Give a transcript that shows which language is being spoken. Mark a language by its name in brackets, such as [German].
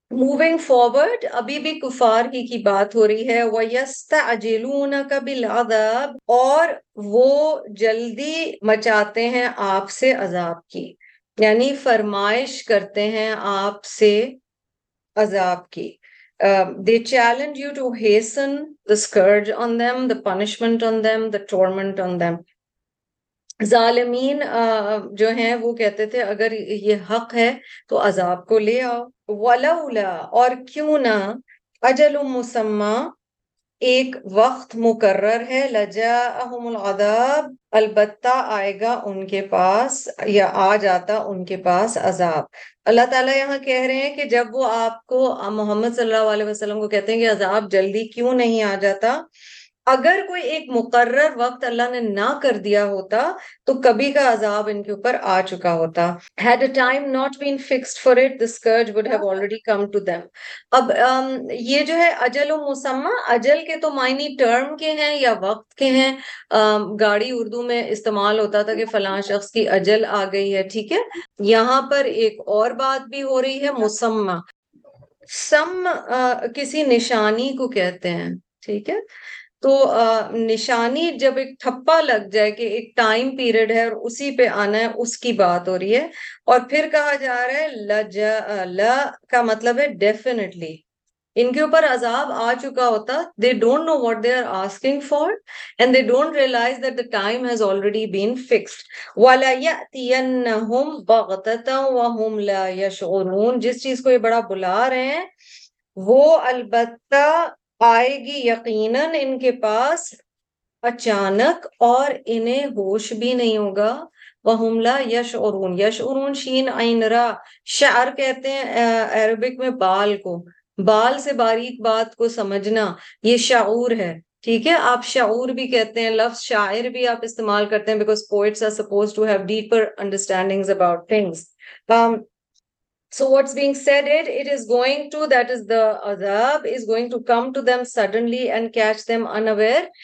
[English] moving forward, [Urdu] ابھی بھی کفار کی بات ہو رہی ہے. [Arabic] وَيَسْتَعْجِلُونَ بِالْعَذَابِ، [Urdu] اور وہ جلدی مچاتے ہیں آپ سے عذاب کی. یعنی فرمائش کرتے ہیں آپ سے عذاب کی. [English] They challenge you to hasten the scourge on them, the punishment on them, the torment on them. [Urdu] ظالمین جو ہیں وہ کہتے تھے اگر یہ حق ہے تو عذاب کو لے آؤ. ولولا اور کیوں نہ, [Arabic] اجل مسمى [Urdu] ایک وقت مقرر ہے, [Arabic] لجاءہم العذاب [Urdu] البتہ آئے گا ان کے پاس یا آ جاتا ان کے پاس عذاب. اللہ تعالیٰ یہاں کہہ رہے ہیں کہ جب وہ آپ کو محمد صلی اللہ علیہ وسلم کو کہتے ہیں کہ عذاب جلدی کیوں نہیں آ جاتا, اگر کوئی ایک مقرر وقت اللہ نے نہ کر دیا ہوتا تو کبھی کا عذاب ان کے اوپر آ چکا ہوتا. [English] Had a time not been fixed for it, the scourge would have already come to them. [Urdu] اب یہ جو ہے اجل و مسمع, اجل کے تو معنی ٹرم کے ہیں یا وقت کے ہیں. گاڑی اردو میں استعمال ہوتا تھا کہ فلاں شخص کی اجل آ گئی ہے, ٹھیک ہے. یہاں پر ایک اور بات بھی ہو رہی ہے, مسمع. سم کسی نشانی کو کہتے ہیں, ٹھیک ہے. تو نشانی جب ایک ٹھپا لگ جائے کہ ایک ٹائم پیریڈ ہے اور اسی پہ آنا ہے, اس کی بات ہو رہی ہے. اور پھر کہا جا رہا ہے لجا, ل کا مطلب ہے ڈیفینیٹلی ان کے اوپر عذاب آ چکا ہوتا. [English] They don't know what they are asking for and they don't realise that the time has already been fixed. [Arabic] وَلَا يَأْتِيَنَّهُمْ بَغْتَةً وَهُمْ لَا يَشْعُرُونَ, [Urdu] جس چیز کو یہ بڑا بلا رہے ہیں وہ البتہ آئے گی یقیناً ان کے پاس اچانک اور انہیں ہوش بھی نہیں ہوگا. [Arabic] وہم لا یشعرون, [Urdu] یشعرون شین عین را, شعر کہتے ہیں عربک میں بال کو, بال سے باریک بات کو سمجھنا, یہ شعور ہے, ٹھیک ہے. آپ شعور بھی کہتے ہیں, لفظ شاعر بھی آپ استعمال کرتے ہیں, [English] Because poets are suppose to have deeper understandings about things. So what's being said, it is going to, that is the azab, is going to come to them suddenly and catch them unaware.